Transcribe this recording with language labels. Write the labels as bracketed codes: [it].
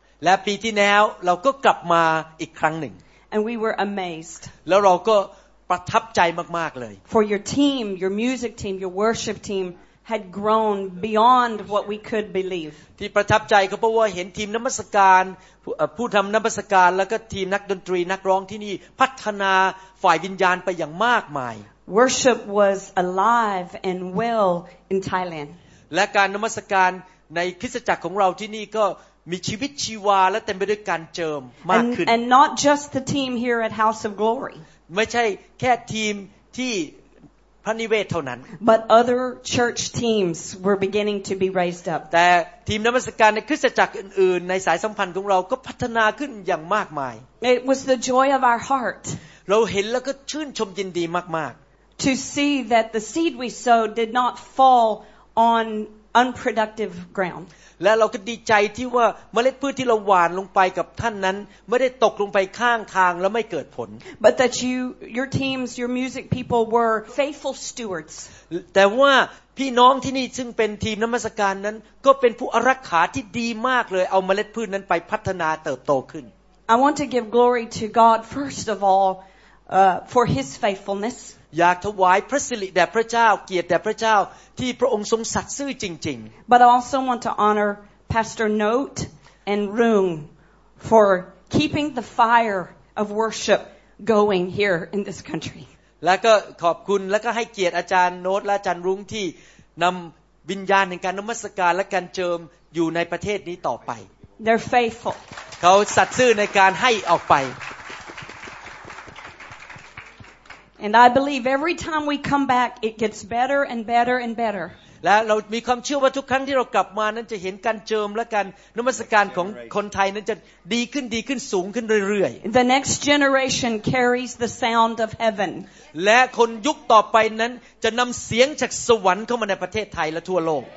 [th] และปีที่แล้วเราก็กลับมาอีกครั้งหนึ่ง [en] And we were amazed. [th] แล้วเราก็ประทับใจมากๆเลย [en] For your team, your music team, your worship team had grown beyond what we could believe. [th] ที่ประทับใจก็เพราะว่าเห็นทีมนมัสการผู้ทำนมัสการแล้วก็ทีมนักดนตรีนักร้องที่นี่พัฒนาฝ่ายวิญญาณไปอย่างมากมาย [en] Worship was alive and well in Thailand. [th] และการนมัสการในคริสตจักรของเราที่นี่ก็มีชีวิตชีวาและเต็มไปด้วยการเจิมมากขึ้น [en] and not just the team here at House of Glory [th] ไม่ใช่แค่ทีมที่พระนิเวศเท่านั้น [en] but other church teams were beginning to be raised up [th] แต่ทีมนมัสการในคริสตจักรอื่นๆในสายสัมพันธ์ของเราก็พัฒนาขึ้นอย่างมากมาย [en] it was the joy of our heart [th] เราเห็นแล้วก็ชื่นชมยินดีมาก [en] ๆ to see that the seed we sowed did not fall onunproductive ground [th] และเราก็ดีใจที่ว่าเมล็ดพืชที่เราหว่านลงไปกับท่านนั้นไม่ได้ตกลงไปข้างทางแล้วไม่เกิดผล [en] but that your teams your music people were faithful stewards [th] แต่ว่าพี่น้องที่นี่ซึ่งเป็นทีมนมัสการนั้นก็เป็นผู้อารักขาที่ดีมากเลยเอาเมล็ดพืชนั้นไปพัฒนาเติบโตขึ้น [en] I want to give glory to God first of all for his faithfulness [th] อยากถวายพระสิริแด่พระเจ้าเกียรติแด่พระเจ้าที่พระองค์ทรงสัตย์ซื่อจริง [en] ๆ But I also want to honor Pastor Note and Room for keeping the fire of worship going here in this country [th] แล้วก็ขอบคุณแล้วก็ให้เกียรติอาจารย์โน้ตและอาจารย์รุ่งที่นำวิญญาณแห่งการนมัสการและการเจิมอยู่ในประเทศนี้ต่อไป [en] They're faithful [th] เขาสัตย์ซื่อในการให้ออกไป [en] And I believe every time we come back, it gets better and better and better. [th] แล้วเรามีความเชื่อว่าทุกครั้งที่เรากลับมานั้นจะเห็นการเจิมและการนมัสการของคนไทยนั้นจะดีขึ้นดีขึ้นสูงขึ้นเรื่อย [en] ๆ The next generation carries the sound of heaven. [th] และคนยุคต่อไปนั้นจะนำเสียงจากสวรรค์เข้ามาในประเทศไทยและทั่วโลก